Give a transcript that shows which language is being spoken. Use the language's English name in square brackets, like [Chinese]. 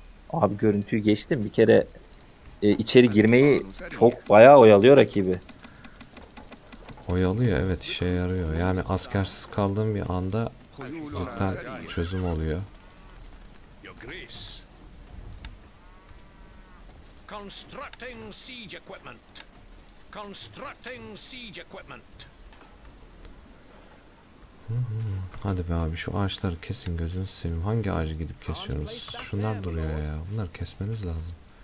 [Turkish] Abi görüntüyü geçtim. Bir kere... içeri girmeyi çok bayağı oyalıyor rakibi. Oyalıyor, evet, işe yarıyor. Yani askersiz kaldığım bir anda cidden çözüm oluyor. [English] Constructing siege equipment. Constructing siege equipment. [Turkish] Hadi be abi, şu ağaçları kesin gözünüz seveyim. Hangi ağacı gidip kesiyorsunuz? Şunlar duruyor ya. Bunları kesmeniz lazım.